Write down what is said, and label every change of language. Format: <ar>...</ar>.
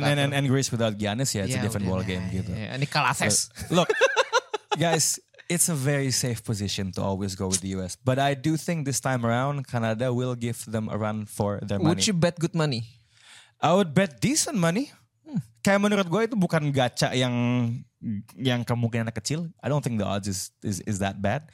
<en>and Greece without Giannis, it's a different ball game</en> <id>gitu. Ini kalases.</id> <en>Look, guys, it's a very safe position to always go with the US. But I do think this time around, Canada will give them a run for their money. Would you bet good money? I would bet decent money.</en> <id>Kayak menurut gue itu bukan gacha yang kemungkinan kecil.</id> <en>I don't think the odds is that bad.</en>